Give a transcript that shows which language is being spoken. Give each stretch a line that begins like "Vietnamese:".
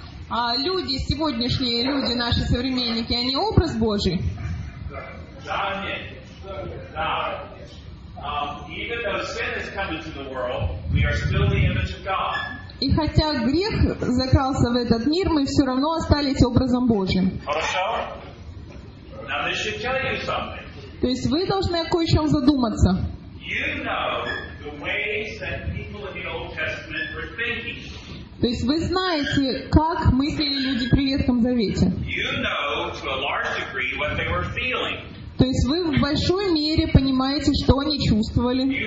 Russian: А люди, сегодняшние люди, наши современники, они образ Божий? Да, нет. Да.
English: Even though sin has come into the world, we are still the image of God.
Russian: И хотя грех закрался в этот мир, мы все равно остались образом Божьим.
English: Хорошо? Now this should tell you something.
Russian: То есть вы должны о кое-чем задуматься.
English: You know the ways that people in the Old Testament were thinking.
Russian: То есть вы знаете, как мыслили люди при Ветхом Завете.
English: You know to a large degree what they were feeling.
Russian: То есть вы в большой мере понимаете, что они чувствовали.